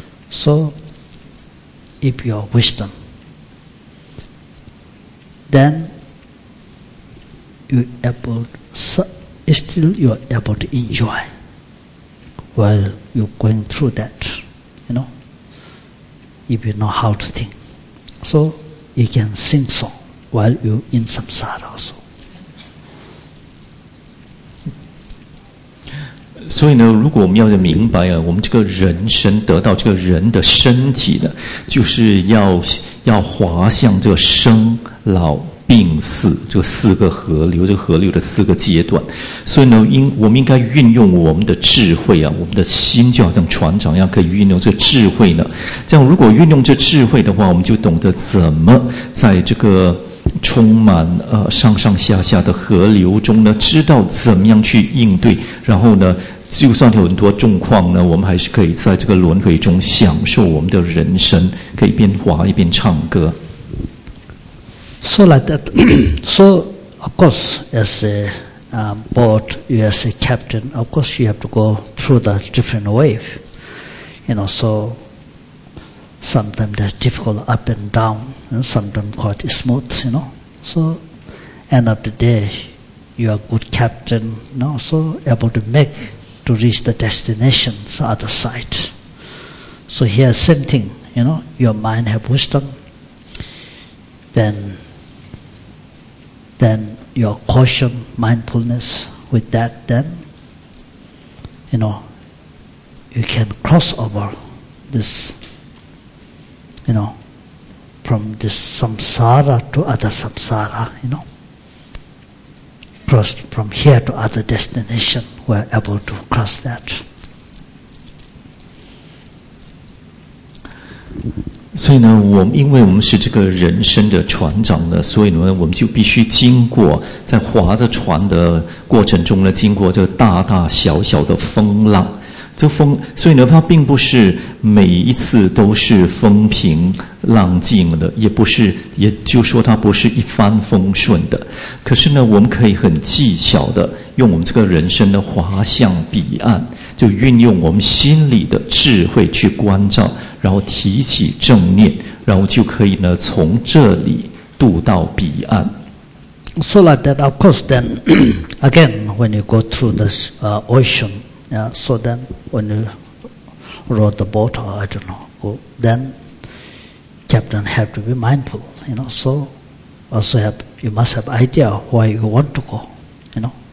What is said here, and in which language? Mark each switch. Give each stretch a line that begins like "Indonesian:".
English: So if you have wisdom, then you are able to enjoy while you're going through that, you know, if you know how to think. So you can sing song while you in samsara also.
Chinese: 所以呢，如果我们要明白啊，我们这个人生得到这个人的身体呢，就是要滑向这个生老病死这四个河流，这个河流的四个阶段。所以呢，我们应该运用我们的智慧啊，我们的心就好像船长一样，可以运用这个智慧呢。这样如果运用这智慧的话，我们就懂得怎么在这个充满上上下下的河流中呢，知道怎么样去应对，然后呢，就算有很多状况呢，我们还是可以在这个轮回中享受我们的人生，可以一边滑一边唱歌。
English: So like that. So, of course, as a boat, you as a captain, of course, you have to go through the different wave. You know, so sometimes there's difficult up and down, and sometimes quite smooth, you know. So, end of the day, you are good captain, you know, so able to make to reach the destination, the other side. So here, same thing, you know, your mind have wisdom, then your caution, mindfulness with that, then, you know, you can cross over this, you know, from this samsara to other samsara, you know, cross from here to other destination, we're able to cross that.
Chinese: 所以呢，我们因为我们是这个人生的船长呢，所以呢，我们就必须经过在划着船的过程中呢，经过这大大小小的风浪。这风，所以呢，它并不是每一次都是风平浪静的，也不是，也就说它不是一帆风顺的。可是呢，我们可以很技巧的用我们这个人生的滑向彼岸，就运用我们心里的智慧去关照，然后提起正念，然后就可以呢从这里渡到彼岸。
English: So like that, of course, then again, when you go through this ocean. Yeah, so then when you row the boat or I don't know, then captain have to be mindful, you know. So also you must have idea why you want to go, you know.